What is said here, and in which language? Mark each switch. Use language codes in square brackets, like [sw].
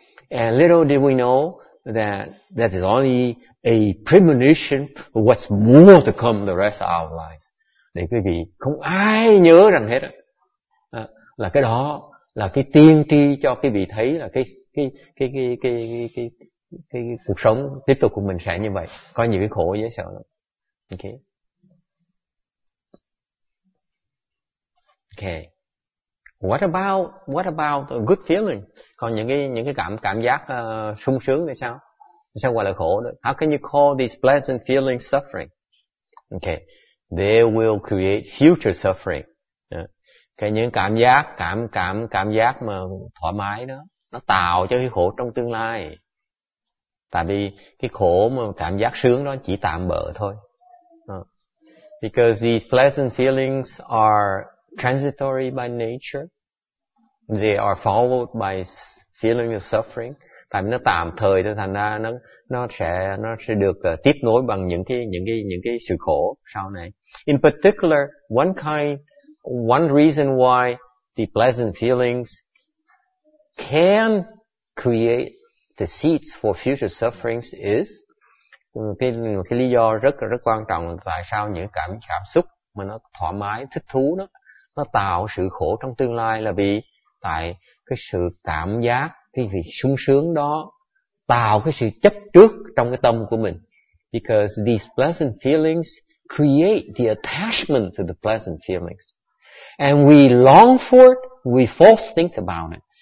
[en] And little did we know that is only a premonition of what's more to come the rest of our lives. [vi] Để quý vị không ai nhớ rằng hết đó, là cái đó là cái tiên tri cho quý vị thấy là cái cuộc sống tiếp tục của mình sẽ như vậy, có nhiều cái khổ dễ sợ lắm. Okay. [en] Okay. What about the good feeling? [vi] Còn những cái cảm giác sung sướng thì sao? Sao gọi là khổ đó? [en] How can you call these pleasant feelings suffering? Okay. They will create future suffering. [vi] Cái những cảm giác mà thoải mái đó, nó tạo cho cái khổ trong tương lai. Tại vì cái khổ mà cảm giác sướng đó chỉ tạm bợ thôi. [en] Because these pleasant feelings are transitory by nature, they are followed by feelings of suffering. [vi] Tại vì nó tạm thời thôi, thành ra nó sẽ được tiếp nối bằng những cái sự khổ sau này. [en] In particular, one reason why the pleasant feelings can create the seeds for future sufferings is [vi] cái lý do rất rất quan trọng là tại sao những cảm xúc mà nó thoải mái thích thú đó nó tạo sự khổ trong tương lai là vì tại cái sự cảm giác cái vị sung sướng đó tạo cái sự chấp trước trong cái tâm của mình. [en] Because these pleasant feelings create the attachment to the pleasant feelings. And we long for it, we false think about it.